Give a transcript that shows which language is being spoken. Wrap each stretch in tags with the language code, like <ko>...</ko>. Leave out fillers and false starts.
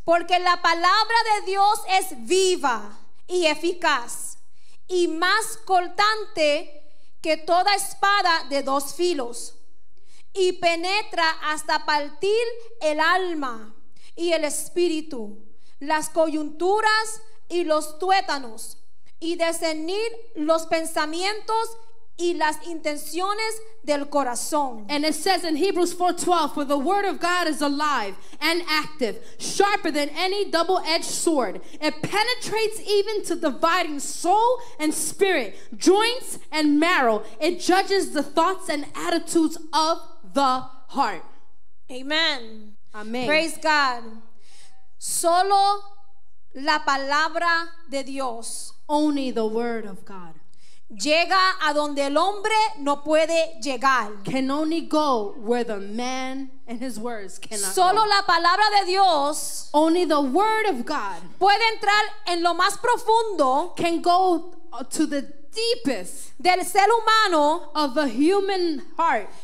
<es>porque la palabra de Dios es viva y eficaz y más cortante que toda espada de dos filos, y penetra hasta partir el alma y el espíritu, las coyunturas y los tuétanos, y discernir los pensamientos y las intenciones del corazón.</es> <en>And it says in Hebrews 4:12, for the word of God is alive and active, sharper than any double-edged sword. It penetrates even to dividing soul and spirit, joints and marrow. It judges the thoughts and attitudes of the heart. Amen. Amen. Praise God.</en> <es>Solo la palabra de Dios.</es> <en>Only the word of God.</en> <es>Llega a donde el hombre no puede llegar.</es> <en>Can only go where the man and his words cannot.</en> <es>Solo</es> <en>go.</en> <es>La palabra de Dios.</es> <en>Only the word of God.</en> <es>Puede entrar en lo más profundo.</es> <en>Can go to the deepest.</en> <es>Del ser humano.</es> <en>Of a human heart.</en>